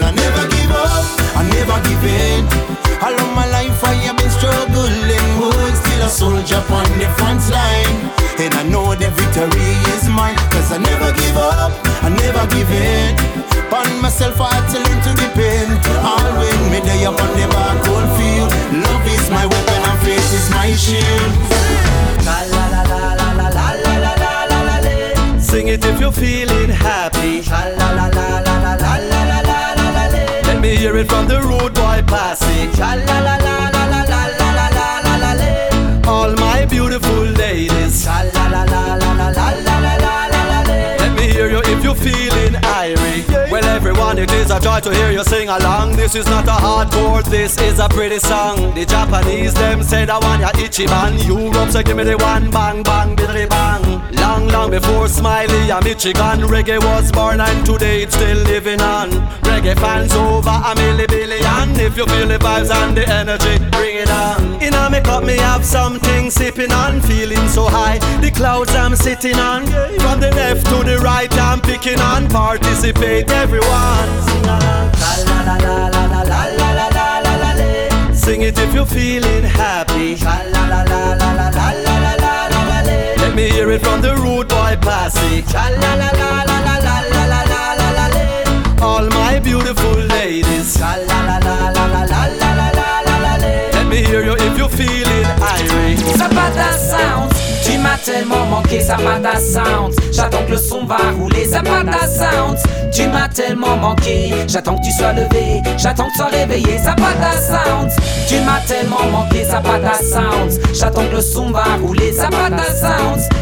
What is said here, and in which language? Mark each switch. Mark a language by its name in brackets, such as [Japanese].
[English] And I never give up, I never give in. All of my life I have been struggling, but still a soldier upon the front line. And I know the victory is mine. Cause I never give up, I never give in. Upon myself I had to learn to depend. All when me day upon the battlefield field. Love is my weapon and faith is my shield. La la la la la la la la la la la la. Sing it if you're feeling happy. La la la la la la la la la la la. Let me hear it from the road boy passing. La la la la la la la la la la la. All my beautiful ladies. La la la la la la la la la la. Let me hear you if you're feeling irie. Everyone, it is a joy to hear you sing along. This is not a hardcore, this is a pretty song. The Japanese, them said I want ya Ichiban. Europe said give me the one bang bang biddy bang. Long, long before Smiley and Michigan, reggae was born and today it's still living on. Reggae fans over a million. If you feel the vibes and the energy, bring it on. In a me cup, me have something sipping on. Feeling so high, the clouds I'm sitting on. From the left to the right, I'm picking on. Participate, everyone. Sing along. La la la la la la la la la la la. Sing it if you're feeling happy. La la la la la la la la la la la. Let me hear it from the road boy passing. La la la la la la la la la la la. All my beautiful ladies. La la la la la la la la la la la. Let me hear you if you're feeling irie. [French] Zapata Soundz. Tu m'as tellement manqué, Zapata Soundz. J'attends que le son va rouler, Zapata Soundz. Tu m'as tellement manqué, j'attends que tu sois levé, j'attends que tu sois réveillé, Zapata Soundz. Tu m'as tellement manqué, Zapata Soundz. J'attends que le son va rouler, Zapata Soundz.